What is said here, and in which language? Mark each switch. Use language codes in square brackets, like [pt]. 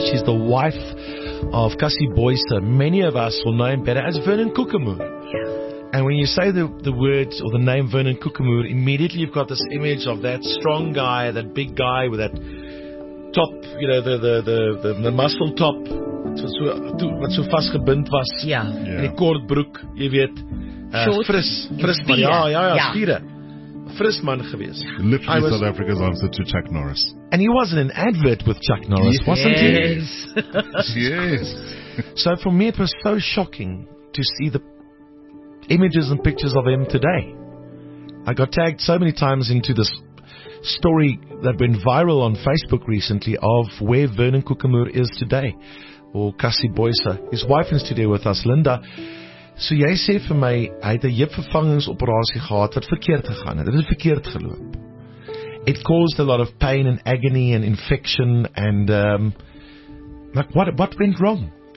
[en] She's the wife of Cassie Boyser. Many of us will know him better as Vernon Kukumoor. And when you say the words or the name Vernon Kukumoor, immediately you've got this image of that strong guy, that big guy with that top, you know, the muscle top. [af] Wat so vast gebind was. Ja. In die kort broek, jy weet. Fris. Fris man. Ja, spiere. Fris man gewees. [en] Literally South Africa's answer to Chuck Norris. And he wasn't an advert with Chuck Norris, yes. Wasn't he? Yes. Yes. So for me, it was so shocking to see the images and pictures of him today. I got tagged so many times into this story that went viral on Facebook recently of where Vernon Kukumoor is today. Or Cassie Boyser. His wife is today with us, Linda. [af] So jy sê vir my, hy het 'n heupvervangingsoperasie gehad wat verkeerd gegaan het. Dit het verkeerd geloop. [en] It caused a lot of pain and agony and infection and like what went wrong?